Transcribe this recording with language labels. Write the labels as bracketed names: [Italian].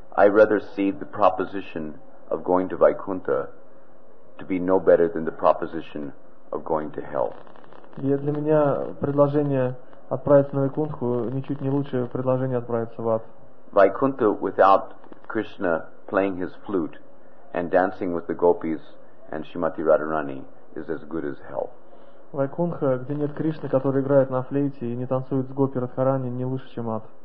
[English] I rather see the proposition of going to Vaikuntha to be no better than the proposition of going to hell. [Russian] И для меня предложение отправиться на Вайкунтху ничуть не лучше предложение отправиться в ад. [English] Vaikuntha without Krishna playing his flute and dancing with the gopis and Shrimati Radharani is as good as hell. [Russian] Вайкунха, где нет Кришны, который играет на флейте и не танцует с Гопи Радхарани, не лучше, чем ад.